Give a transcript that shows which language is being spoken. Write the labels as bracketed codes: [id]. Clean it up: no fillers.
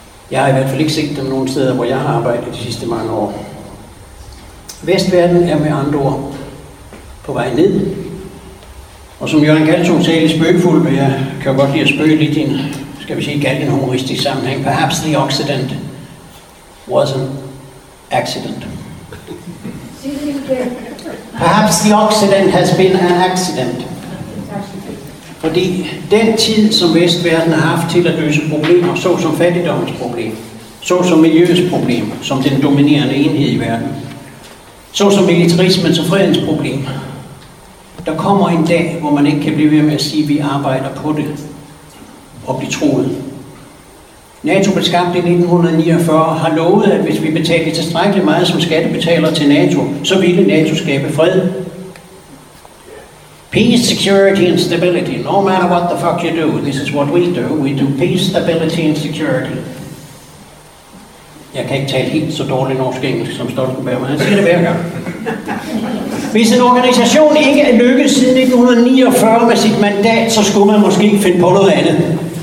[da] Jeg har i hvert fald ikke set dem nogen steder, hvor jeg har arbejdet de sidste mange år. Vestverden er med andre ord på vej ned. Og som Jørgen Galtung sagde lidt spøgefuldt, men jeg kan godt lide at spøge lidt i en, skal vi sige, galgenhumoristisk sammenhæng. [en] Perhaps the Occident was an accident. Perhaps the Occident has been an accident. [da] Fordi den tid, som Vestverden har haft til at løse problemer, såsom fattigdomsproblem, såsom miljøets problem, som den dominerende enhed i verden, såsom militarismens og fredens problem, der kommer en dag, hvor man ikke kan blive ved med at sige, at vi arbejder på det og blive troet. NATO blev skabt i 1949 og har lovet, at hvis vi betalte tilstrækkeligt meget som skattebetaler til NATO, så ville NATO skabe fred. [en] Peace, security and stability. No matter what the fuck you do, this is what we do. We do peace, stability and security. [da] Jeg kan ikke tale helt så dårligt norsk engelsk som Stoltenberg, men han siger det hver gang. Hvis en organisation ikke er lykkedes siden 1949 med sit mandat, så skulle man måske ikke finde på noget andet.